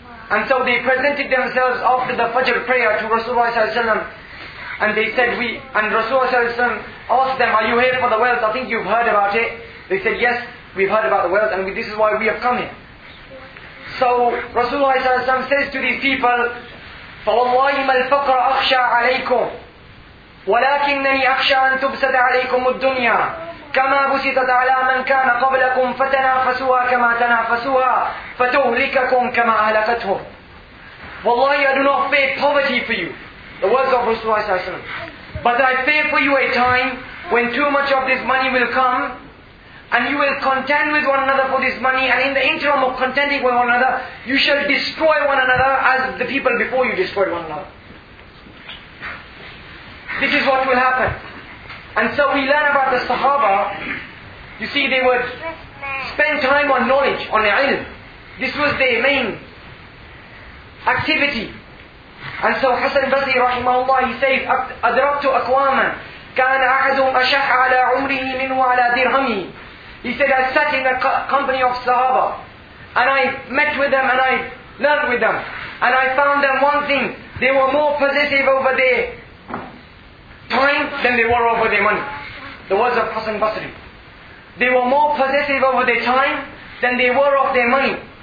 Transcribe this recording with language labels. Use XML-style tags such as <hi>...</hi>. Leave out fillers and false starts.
<en>And so they presented themselves after the Fajr prayer to Rasulullah ﷺ. And they said, Rasulullah ﷺ asked them, are you here for the wealth? I think you've heard about it. They said, yes, we've heard about the wealth, and this is why we have come here. So Rasulullah ﷺ says to these people,</en> <ar>فَوَاللَّهِ مَا الْفَقْرَ أَخْشَى عَلَيْكُمْ ولكنني أخشى أن تبسط عليكم الدنيا كما بسطت على من كان قبلكم فتنافسوها كما تنافسوها فتهلككم كما أهلكتهم. والله</ar> <en>I do not fear poverty for you. The words of Rasulullah. But I fear for you a time when too much of this money will come and you will contend with one another for this money, and in the interim of contending with one another, you shall destroy one another as the people before you destroyed one another. This is what will happen. And so we learn about the Sahaba. You see, they would spend time on knowledge, on ilm. This was their main activity. And so Hassan Basri rahimahullah, he said,</en> <ar>أَدْرَبْتُ أَكْوَامًا كَانَ أَحَدُهُمْ أَشَحَ عَلَىٰ عُمْرِهِ مِنْهُ عَلَىٰ دِرْهَمِهِ.</ar> <en>He said, I sat in the company of Sahaba and I met with them and I learned with them and I found them one thing, they were more possessive over their time than they were over their money. The words of Hassan Basri. They were more possessive over their time than they were of their money.</en>